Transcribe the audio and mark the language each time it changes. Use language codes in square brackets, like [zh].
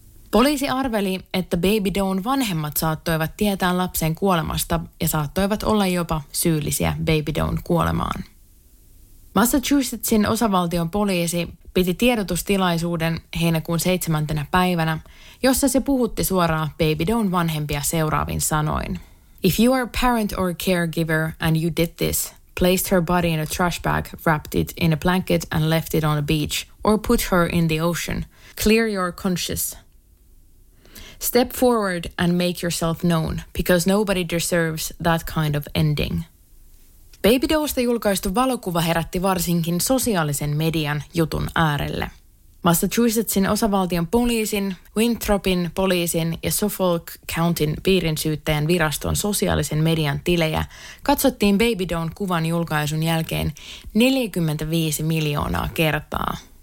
[fi] Poliisi arveli, että Baby Doen vanhemmat saattoivat tietää lapsen kuolemasta ja saattoivat olla jopa syyllisiä Baby Doen kuolemaan. Massachusettsin osavaltion poliisi piti tiedotustilaisuuden heinäkuun 7. päivänä, jossa se puhutti suoraan Baby Doen vanhempia seuraavin sanoin. [en] If you are a parent or a caregiver and you did this, placed her body in a trash bag, wrapped it in a blanket and left it on a beach, or put her in the ocean, clear your conscience. Step forward and make yourself known, because nobody deserves that kind of ending. [fi] Baby Doesta julkaistu valokuva herätti varsinkin sosiaalisen median jutun äärelle. Massachusettsin osavaltion poliisin, Winthropin poliisin ja Suffolk Countyn piirinsyyttäjän viraston sosiaalisen median tilejä katsottiin Baby Doen kuvan julkaisun jälkeen 45 miljoonaa kertaa.